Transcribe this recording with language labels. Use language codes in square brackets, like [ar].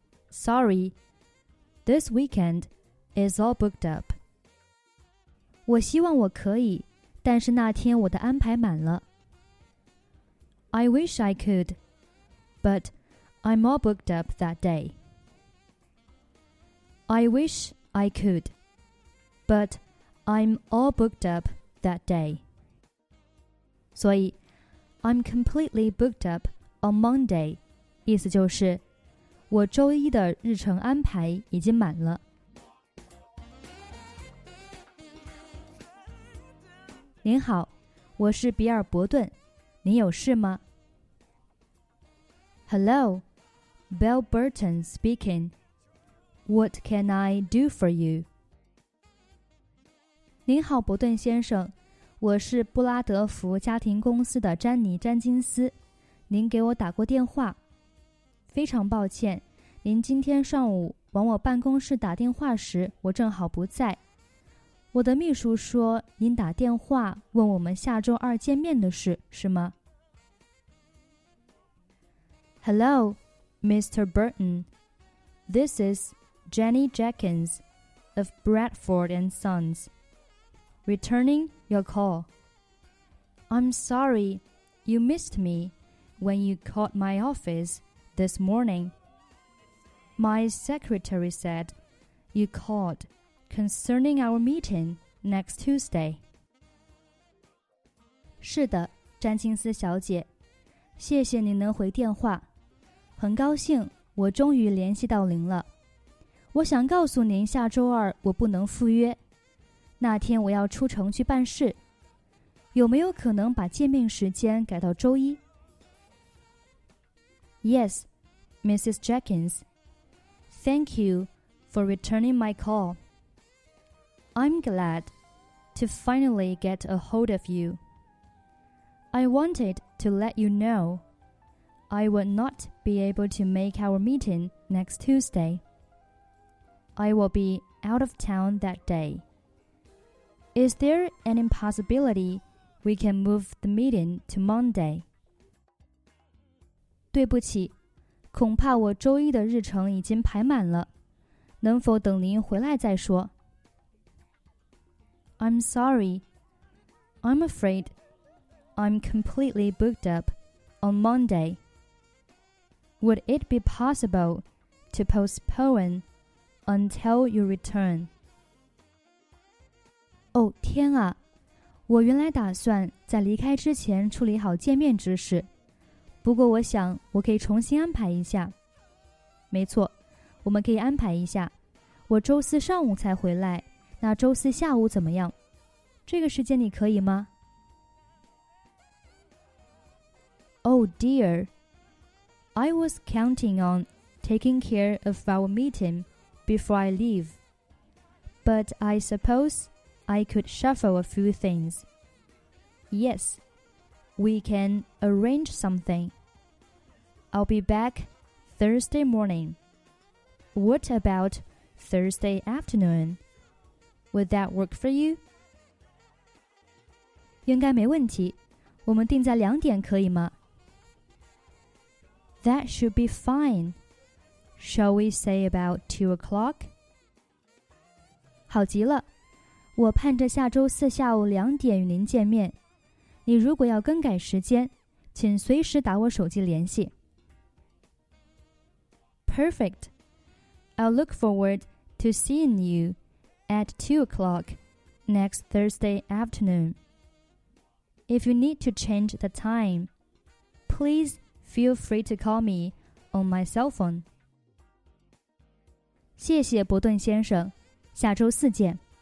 [en] Sorry, this weekend is all booked up [zh] 我希望我可以但是那天我的安排满了 [en] I wish I couldBut I'm all booked up that day. I wish I could, but I'm all booked up that day. [zh] 所以 [en] I'm completely booked up on Monday. [zh] 意思就是我周一的日程安排已经满了。您好，我是比尔伯顿，您有事吗？ [en] Hello, Bill Burton speaking. What can I do for you? [zh] 您好，伯顿先生，我是布拉德福家庭公司的詹妮·詹金斯。您给我打过电话。非常抱歉，您今天上午往我办公室打电话时，我正好不在。我的秘书说，您打电话问我们下周二见面的事，是吗？ [en] Hello, Mr. Burton. This is Jenny Jenkins of Bradford and Sons, returning your call. I'm sorry you missed me when you called my office this morning. My secretary said you called concerning our meeting next Tuesday. [zh] 是的，詹金斯小姐，谢谢您能回电话。很高兴我终于联系到您了。我想告诉您下周二我不能赴约。那天我要出城去办事。有没有可能把见面时间改到周一 [en] ?Yes, Mrs. Jenkins. Thank you for returning my call. I'm glad to finally get a hold of you. I wanted to let you know. I will not be able to make our meeting next Tuesday. I will be out of town that day. Is there an impossibility we can move the meeting to Monday? [zh] 对不起，恐怕我周一的日程已经排满了，能否等您回来再说？ [en] I'm sorry. I'm afraid. I'm completely booked up on Monday. Would it be possible to postpone until you return? [zh] 哦，天啊！我原来打算在离开之前处理好见面之事，不过我想我可以重新安排一下。没错，我们可以安排一下。我周四上午才回来，那周四下午怎么样？这个时间你可以吗？ [en] Oh dear! I was counting on taking care of our meeting before I leave, but I suppose I could shuffle a few things. Yes, we can arrange something. I'll be back Thursday morning. What about Thursday afternoon? Would that work for you? [zh] 应该没问题，我们定在两点可以吗？ [en] That should be fine. Shall we say about 2 o'clock? [zh] 好极了，我盼着下周四下午两点与您见面。你如果要更改时间，请随时打我手机联系。 [en] Perfect. I'll look forward to seeing you at 2 o'clock next Thursday afternoon. If you need to change the time, please Feel free to call me on my cell phone. [zh] 谢谢伯顿先生，下周四见。